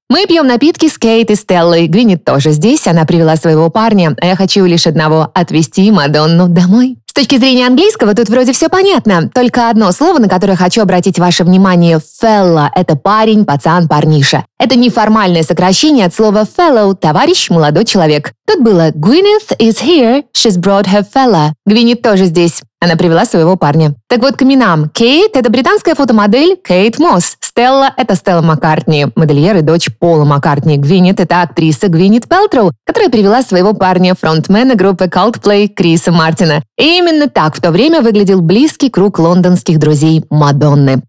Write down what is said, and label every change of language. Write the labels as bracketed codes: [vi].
[ru] Мы пьем напитки с Кейт и Стеллой. Гвинет тоже здесь, она привела своего парня. А я хочу лишь одного – отвезти Мадонну домой. С точки зрения английского тут вроде все понятно. Только одно слово, на которое хочу обратить ваше внимание – «фелла» – это парень, пацан, парниша. Это неформальное сокращение от слова «fellow» – товарищ, молодой человек. Тут было [en] «Gwyneth is here, she's brought her fella». [ru] Гвинет тоже здесь. Она привела своего парня. Так вот, к именам. Кейт – это британская фотомодель Кейт Мосс. Стелла – это Стелла Маккартни, модельер и дочь Пола Маккартни. Гвинет – это актриса Гвинет Пэлтроу, которая привела своего парня, фронтмена группы Coldplay Криса Мартина. И именно так в то время выглядел близкий круг лондонских друзей Мадонны.